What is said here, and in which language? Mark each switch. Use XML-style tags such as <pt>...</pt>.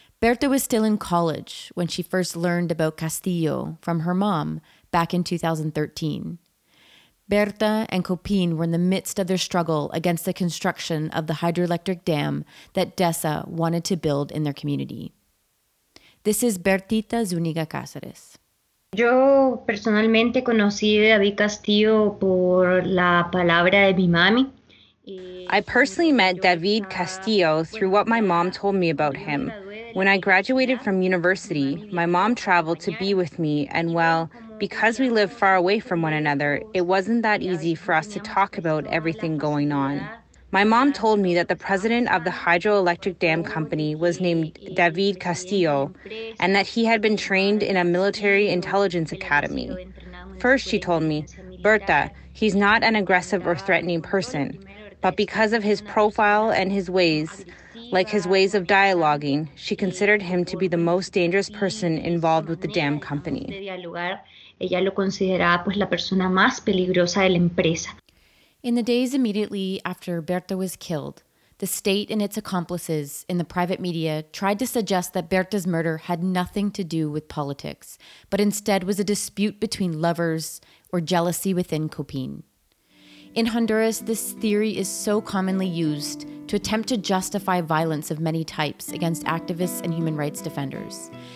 <en>Berta was still in college when she first learned about Castillo from her mom back in 2013. Berta and COPIN were in the midst of their struggle against the construction of the hydroelectric dam that DESA wanted to build in their community. This is Bertita Zúñiga Cáceres.</en> <es>Yo personalmente conocí a David Castillo por la palabra de mi mami.</es> <en>I personally met David Castillo through what my mom told me about him. When I graduated from university, my mom traveled to be with me, and well, because we live far away from one another, it wasn't that easy for us to talk about everything going on. My mom told me that the president of the hydroelectric dam company was named David Castillo, and that he had been trained in a military intelligence academy. First, she told me, Berta. He's not an aggressive or threatening person. But because of his profile and his ways, like his ways of dialoguing, she considered him to be the most dangerous person involved with the damn company.</en> <es>Ella lo consideraba pues la persona más peligrosa de la empresa.</es> <en>In the days immediately after Berta was killed, the state and its accomplices in the private media tried to suggest that Berta's murder had nothing to do with politics, but instead was a dispute between lovers or jealousy within Copin. In Honduras, this theory is so commonly used to attempt to justify violence of many types against activists and human rights defenders.</en>